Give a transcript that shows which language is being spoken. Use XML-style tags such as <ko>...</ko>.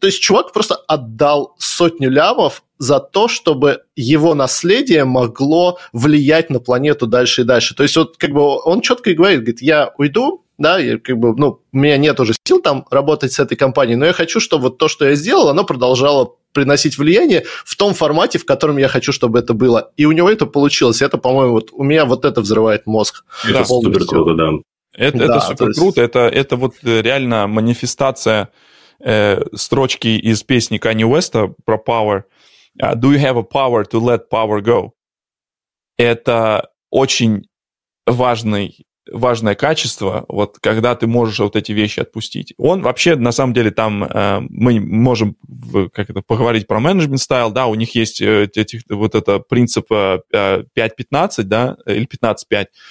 <ru>То есть чувак просто отдал сотню лямов за то, чтобы его наследие могло влиять на планету дальше и дальше. То есть вот как бы он четко и говорит, я уйду, да, я как бы, ну, у меня нет уже сил там работать с этой компанией, но я хочу, чтобы вот то, что я сделал, оно продолжало приносить влияние в том формате, в котором я хочу, чтобы это было. И у него это получилось. Это, по-моему, вот у меня вот это взрывает мозг. Это супер круто, да. Это супер круто. Это вот реально манифестация строчки из песни Kanye West про power.</ru> <en>Do you have a power to let power go?</en> <ru>Это очень важное качество, вот когда ты можешь вот эти вещи отпустить. Он вообще, на самом деле, там мы можем как это, поговорить про менеджмент стайл, да, у них есть вот это принцип 5-15, да, или 15-5.</ru>